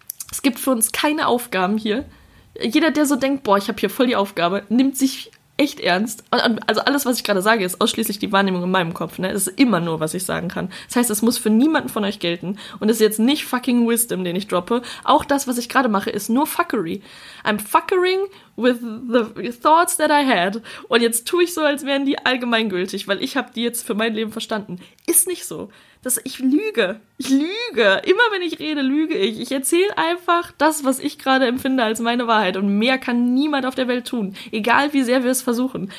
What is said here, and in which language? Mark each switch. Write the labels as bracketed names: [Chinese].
[German] Es gibt für uns keine Aufgaben hier. Jeder, der so denkt, boah, ich habe hier voll die Aufgabe, nimmt sich echt ernst. Also alles, was ich gerade sage, ist ausschließlich die Wahrnehmung in meinem Kopf. Ne? Es ist immer nur, was ich sagen kann. Das heißt, es muss für niemanden von euch gelten. Und es ist jetzt nicht fucking Wisdom, den ich droppe. Auch das, was ich gerade mache, ist nur Fuckery. [English] I'm fuckering with the thoughts that I had. [German] Und jetzt tue ich so, als wären die allgemeingültig, weil ich habe die jetzt für mein Leben verstanden. Ist nicht so. Das, ich lüge. Ich lüge. Immer wenn ich rede, lüge ich. Ich erzähle einfach das, was ich gerade empfinde, als meine Wahrheit. Und mehr kann niemand auf der Welt tun. Egal, wie sehr wir es versuchen.